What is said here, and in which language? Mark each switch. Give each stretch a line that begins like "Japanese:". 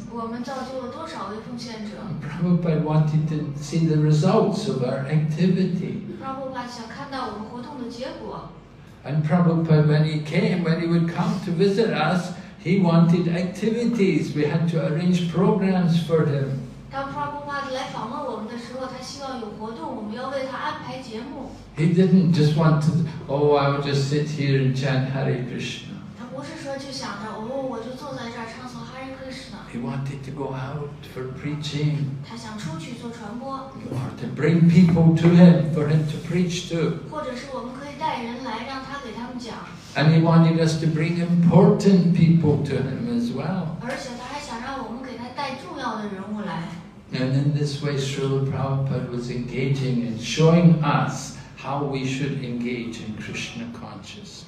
Chinese: 我们造就了多少位奉献者。
English: Prabhupada wanted to see the results of our activity.
Chinese: Prabhupada 想看到我们活动的结果。
English: And Prabhupada, when he came, when he would come to visit us, he wanted activities. We had to arrange programs for him.
Chinese: 当 Prabhupada 来访问我们的时候，他希望有活动，我们要为他安排节目。
English: He didn't just want to, oh, I would just sit here and chant Hare Krishna.
Chinese: 他不是说就想着，哦，我就坐在这儿唱诵 Hare Krishna.
English: He wanted to go out for preaching.
Chinese: 他想出去做传播。
English: Or to bring people to him for him to preach to.
Chinese: 或者是我们可以带人来。
English: And he wanted us to bring important people to him as well.
Chinese: 而且他还想让我们给他带重要的人物来。
English: And in this way, Srila Prabhupada was engaging and showing us how we should engage in Krishna consciousness.